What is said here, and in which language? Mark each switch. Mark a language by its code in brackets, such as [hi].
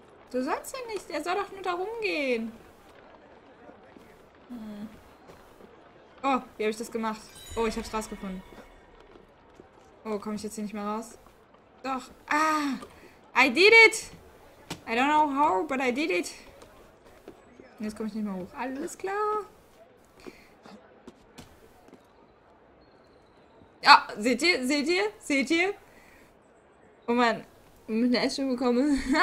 [de] Du sollst ja nicht. Er soll doch nur da rumgehen. Oh, wie habe ich das gemacht? Oh, ich hab's rausgefunden. Oh, komme ich jetzt hier nicht mehr raus? Doch. [en] Ah! I did it! I don't know how, but I did it. [de] Und jetzt komme ich nicht mehr hoch. Alles klar. Ah, seht ihr? Seht ihr? Seht ihr? Oh man, mit einer Essstörung bekommen.